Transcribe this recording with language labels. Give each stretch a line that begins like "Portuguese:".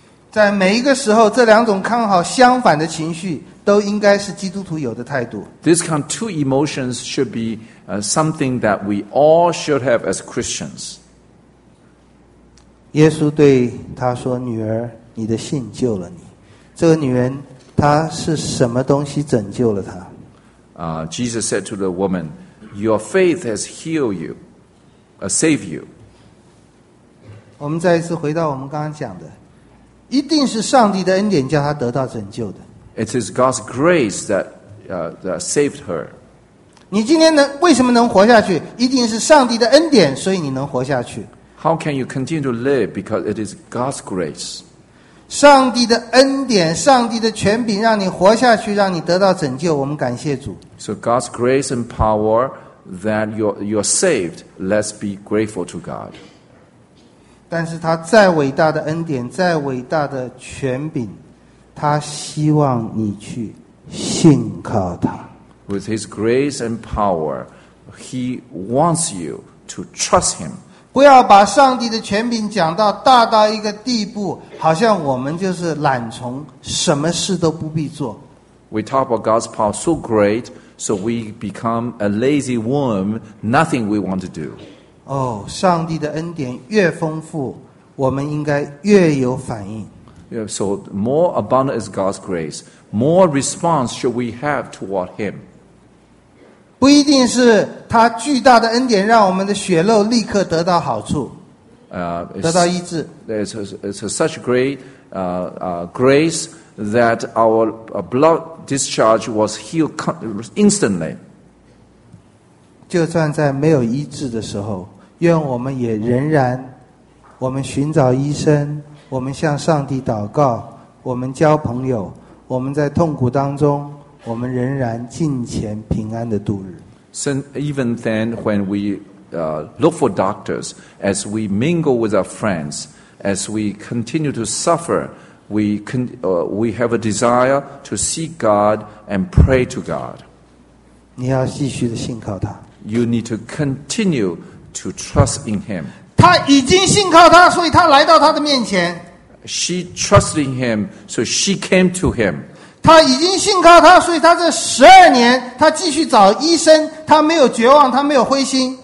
Chinese: 在每一个时候，这两种刚好相反的情绪都应该是基督徒有的态度。
English: These kind of two emotions should be something that we all should have as Christians.
Chinese: 耶稣对他说：“女儿，你的信救了你。” 这个女人，她是什么东西拯救了她？
English: Jesus said to the woman, "Your faith has healed you, saved you."
Chinese: 我们再一次回到我们刚刚讲的，一定是上帝的恩典叫她得到拯救的。
English: It is God's grace that that saved her.
Chinese: 你今天能为什么能活下去？一定是上帝的恩典，所以你能活下去。
English: How can you continue to live because it is God's grace?
Chinese: 上帝的恩典，上帝的权柄，让你活下去，让你得到拯救。我们感谢主。
English: So God's grace and power that you're saved. Let's be grateful to God.
Chinese: 但是他再伟大的恩典，再伟大的权柄，他希望你去信靠他。
English: With His grace and power, He wants you to trust Him.
Chinese: 不要把上帝的权柄讲到大到一个地步，好像我们就是懒虫，什么事都不必做。
English: We talk about God's power so great, so we become a lazy worm, nothing we want to do.
Chinese: 哦，上帝的恩典越丰富，我们应该越有反应。
English: So more abundant is God's grace, more response should we have toward Him.
Chinese: 不一定是他巨大的恩典让我们的血肉立刻得到好处，得到医治。
English: It's such great grace that our blood discharge was healed instantly.
Chinese: 就算在没有医治的时候，愿我们也仍然，我们寻找医生。我们向上帝祷告，我们交朋友，我们在痛苦当中，我们仍然敬虔平安的度日。
English: So even then, when we look for doctors, as we mingle with our friends, as we continue to suffer, we have a desire to seek God and pray to God.
Chinese: 你要继续的信靠他。
English: You need to continue to trust in Him.
Chinese: 他已经信靠他，所以他来到他的面前。
English: She trusted him, so she came to him.
Chinese: 他已经信靠他，所以他这十二年，他继续找医生，他没有绝望，他没有灰心。